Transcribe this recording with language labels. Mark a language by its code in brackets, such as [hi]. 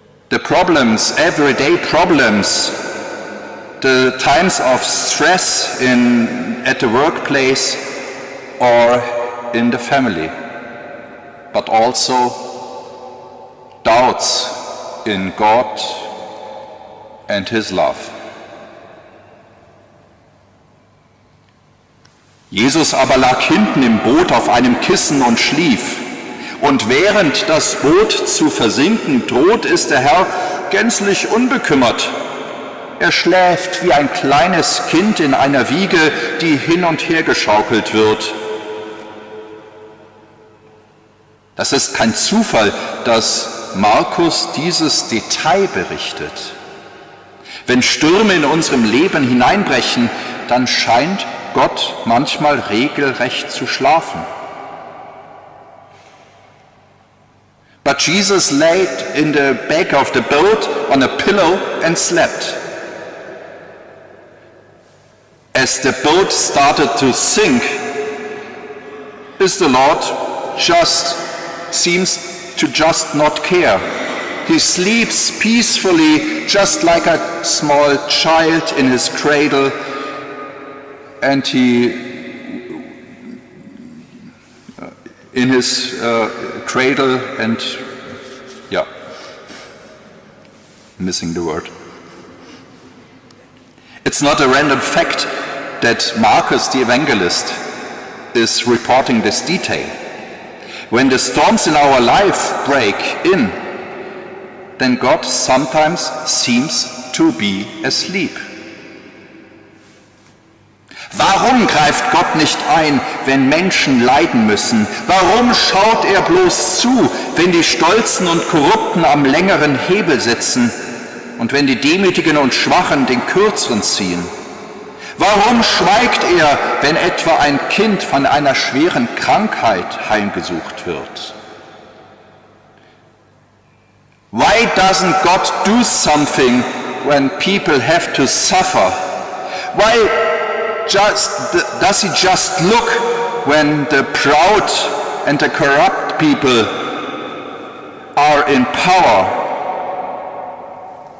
[en] The problems, everyday problems, the times of stress at the workplace or in the family, but also doubts in God and His love. [de] Jesus aber lag hinten im Boot auf einem Kissen und schlief. Und während das Boot zu versinken droht, ist der Herr gänzlich unbekümmert. Er schläft wie ein kleines Kind in einer Wiege, die hin und her geschaukelt wird. Das ist kein Zufall, dass Markus dieses Detail berichtet. Wenn Stürme in unserem Leben hineinbrechen, dann scheint Gott manchmal regelrecht zu schlafen. [en] But Jesus laid in the back of the boat on a pillow and slept. As the boat started to sink, is the Lord just seems to just not care. He sleeps peacefully, just like a small child in his cradle, and he in his cradle and missing the word. It's not a random fact that Markus, the evangelist, is reporting this detail. When the storms in our life break in, then God sometimes seems to be asleep. [de] Warum greift Gott nicht ein, wenn Menschen leiden müssen? Warum schaut er bloß zu, wenn die Stolzen und Korrupten am längeren Hebel sitzen? Und wenn die Demütigen und Schwachen den Kürzeren ziehen? Warum schweigt er, wenn etwa ein Kind von einer schweren Krankheit heimgesucht wird? [en] Why doesn't God do something when people have to suffer? Why does he just look when the proud and the corrupt people are in power?